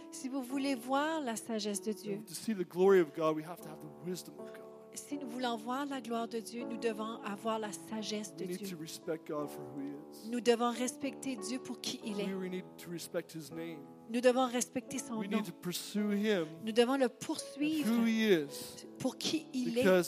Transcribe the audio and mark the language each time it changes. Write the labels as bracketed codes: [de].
[fr] Si vous voulez voir la sagesse de Dieu. [en] To see the glory of God, we have to have the wisdom of God. [fr] Si nous voulons voir la gloire de Dieu, nous devons avoir la sagesse de [en] we need [fr] Dieu. [en] To respect God for who he is. [fr] Nous devons respecter Dieu pour qui il est. [en] We need to respect his name. [fr] Nous devons respecter son [en] we [fr] nom. [en] Need to pursue him [fr] nous devons le poursuivre [en] who he is. [fr] Pour qui il [en] Because